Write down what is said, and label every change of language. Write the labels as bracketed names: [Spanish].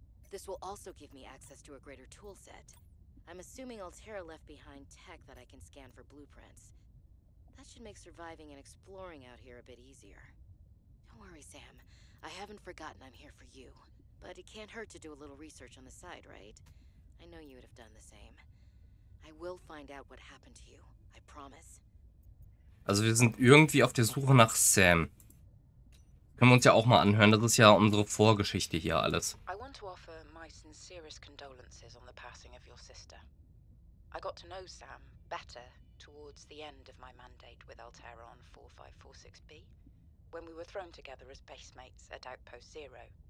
[English] This will also give me access to a greater tool set. I'm assuming Altera left behind tech that I can scan for blueprints. That should make surviving and exploring out here a bit easier. Don't worry, Sam. I haven't forgotten I'm here for you. But it can't hurt to do a little research on the side, right? I know you would have done the same. I will find out what happened to you. I promise. [German] Also wir sind irgendwie auf der Suche nach Sam. Können wir uns ja auch mal anhören. Das ist ja unsere Vorgeschichte hier alles. [English] I want to offer my sincerest condolences on the passing of your sister. I got to know Sam better towards the end of my mandate with Altera on 4546B, when we were thrown together as base mates at Outpost Zero.